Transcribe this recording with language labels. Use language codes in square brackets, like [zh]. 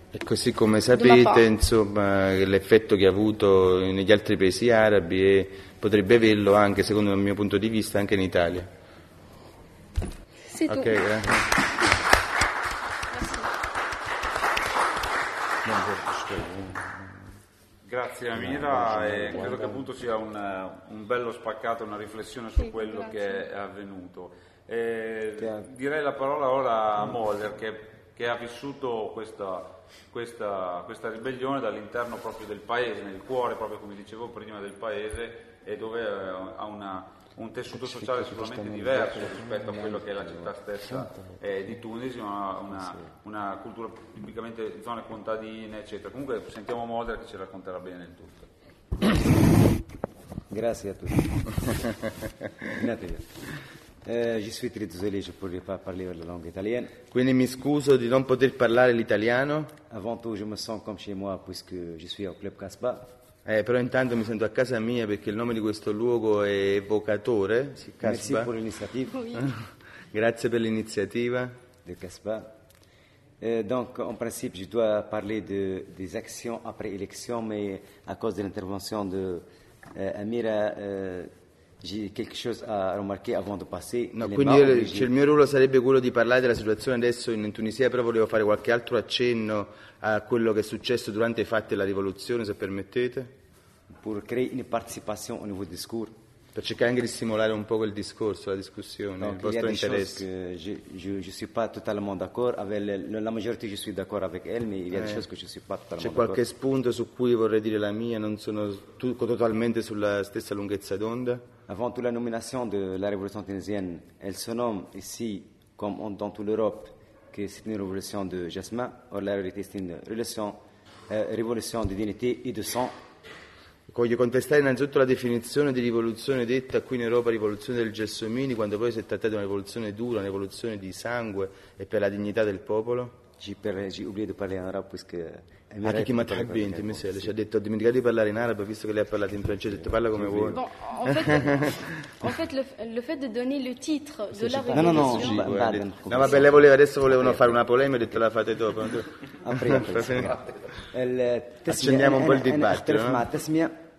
[it] E così come sapete, insomma, l'effetto che ha avuto negli altri paesi arabi e potrebbe averlo anche, secondo il mio punto di vista, anche in Italia. [fr] C'est tout. Okay, [it] grazie Amira, e credo che appunto sia un bello spaccato, una riflessione su quello che è avvenuto. Direi la parola ora a Moller, che ha vissuto questa ribellione dall'interno proprio del paese, nel cuore proprio, come dicevo prima, del paese, e dove ha un tessuto sociale sicuramente diverso rispetto a quello che è la città stessa di Tunisi, una cultura tipicamente zone contadine, eccetera. Comunque sentiamo Moder che ci racconterà bene il tutto. Grazie a tutti. Grazie. [fr] Je suis très désolé, je ne pourrais pas parler la langue italienne. [it] Quindi mi scuso di non poter parlare l'italiano. [fr] Avant tout, je me sens comme chez moi, puisque je suis au Club Casbah. [it] Però intanto mi sento a casa mia perché il nome di questo luogo è evocatore. [fr] Merci pour l'initiative. [it] Grazie per l'iniziativa. [fr] De Casbah. Donc, en principe, je dois parler des actions après élection, mais à cause de l'intervention de Amira. J'ai quelque chose à remarquer avant de passer. [it] No, quindi il mio ruolo sarebbe quello di parlare della situazione adesso in Tunisia, però volevo fare qualche altro accenno a quello che è successo durante i fatti della rivoluzione, se permettete. [fr] Pour créer une participation au niveau discours. [it] Per cercare anche di stimolare un po' il discorso, la discussione, [fr] donc, [it] il vostro interesse. [fr] Que je suis pas totalement d'accord avec la majorité, je suis d'accord avec elle, mais il y a des choses que je suis pas totalement d'accord. [it] C'è qualche spunto su cui vorrei dire la mia, non sono totalmente sulla stessa lunghezza d'onda. [fr] Avant toute la nomination de la révolution tunisienne, elle se nomme ici, comme dans toute l'Europe, que c'est une révolution de jasmin. Or, la réalité, c'est une révolution de dignité et de sang. [it] Voglio contestare innanzitutto la definizione di rivoluzione detta qui in Europa rivoluzione del gelsomini, quando poi si è trattato di una rivoluzione dura, una rivoluzione di sangue e per la dignità del popolo. [fr] J'ai oublié de parler en arabe, puisque. [it] Anche chi m'ha tradito, messere, ci ha detto, ho dimenticato di parlare in arabo, visto che lei ha parlato in francese, ha detto, parla come vuoi. [fr] Bon, en fait, le fait de donner le titre de la révolution. [it] No, vabbè, lei voleva, adesso volevano fare una polemica, ho detto, la fate dopo. Accendiamo un po' il dibattito.